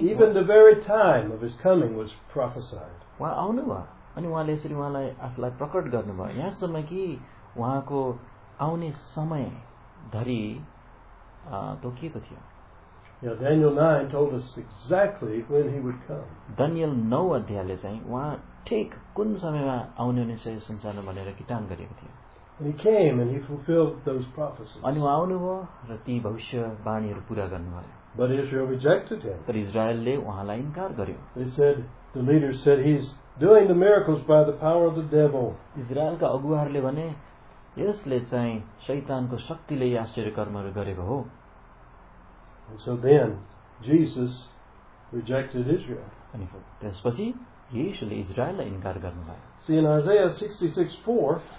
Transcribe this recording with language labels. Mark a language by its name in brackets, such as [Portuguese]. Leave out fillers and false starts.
[English] even the very time of his coming was prophesied. [Nepali] वहाँ आउनुभयो अनि उहाँले यसरी उहाँलाई आफूलाई प्रकट गर्नुभयो. यहाँसम्म कि उहाँको आउने समय धरि तोकिएको थियो. [English] Daniel 9 told us exactly when he would come. [Nepali] Daniel 9 अध्यायले चाहिँ उहाँ ठिक कुन समयमा आउनु हुनेछ यो संसारमा भनेर किटान गरेको थियो. [English] And he came and he fulfilled those prophecies. [Nepali] अनि उहाँ आउनुभयो र ती भविष्यवाणीहरु पूरा गर्नुभयो. [English] But Israel rejected him. [Nepali] तर इजरायलले उहाँलाई इन्कार गर्यो. [English] They said, the leaders said, he's doing the miracles by the power of the devil. [Nepali] इजरायलका अगुवाहरुले भने यसले चाहिँ शैतानको शक्तिले आश्चर्य कर्महरु गरेको हो. [English] And so then Jesus rejected Israel. [Nepali] अनि त्यसपछि येशूले इजरायललाई इन्कार गर्नुभयो. [English] See in Isaiah 66:4.